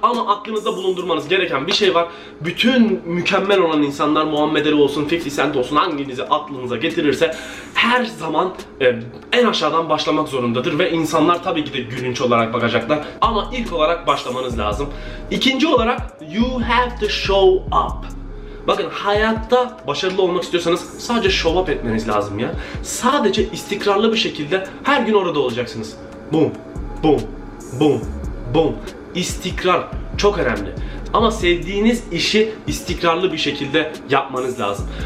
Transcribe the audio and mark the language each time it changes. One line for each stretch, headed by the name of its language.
Turkish: Ama aklınızda bulundurmanız gereken bir şey var. Bütün mükemmel olan insanlar, Muhammed Ali olsun, 50 Cent olsun, hanginizi aklınıza getirirse, her zaman en aşağıdan başlamak zorundadır. Ve insanlar tabii ki de gülünç olarak bakacaklar. Ama ilk olarak başlamanız lazım. İkinci olarak,
English: you have to show up.
Turkish: Bakın, hayatta başarılı olmak istiyorsanız sadece
English: show up
Turkish: etmeniz lazım ya. Sadece istikrarlı bir şekilde her gün orada olacaksınız. Boom, boom, boom, boom. İstikrar çok önemli. Ama sevdiğiniz işi istikrarlı bir şekilde yapmanız lazım.